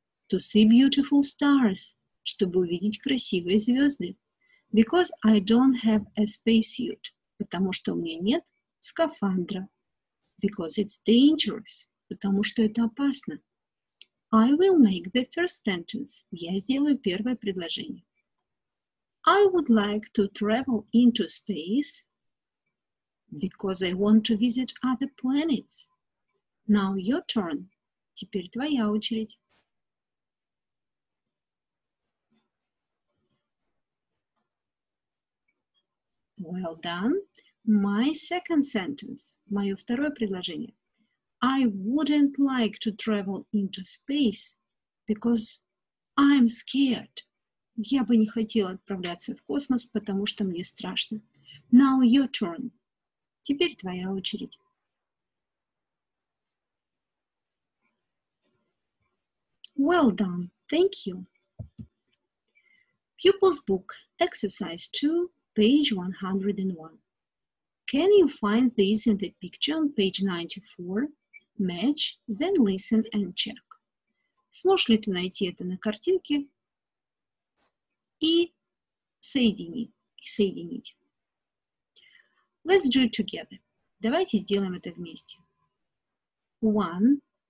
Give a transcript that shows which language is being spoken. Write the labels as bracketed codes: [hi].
[en] To see beautiful stars, [ru] чтобы увидеть красивые звезды. [en] Because I don't have a spacesuit, [ru] потому что у меня нет скафандра. [en] Because it's dangerous, [ru] потому что это опасно. [en] I will make the first sentence. [ru] Я сделаю первое предложение. [en] I would like to travel into space because I want to visit other planets. Now your turn. [ru] Теперь твоя очередь. [en] Well done. My second sentence. [ru] Мое второе предложение. [en] I wouldn't like to travel into space because I'm scared. [ru] Я бы не хотела отправляться в космос, потому что мне страшно. [en] Now your turn. [ru] Теперь твоя очередь. [en] Well done, thank you. Pupil's book, exercise 2, page 101. Can you find this in the picture on page 94? Match, then listen and check. [ru] Сможешь ли ты найти это на картинке? И соедини, и соединить. [en] Let's do it together. [ru] Давайте сделаем это вместе. [en] One.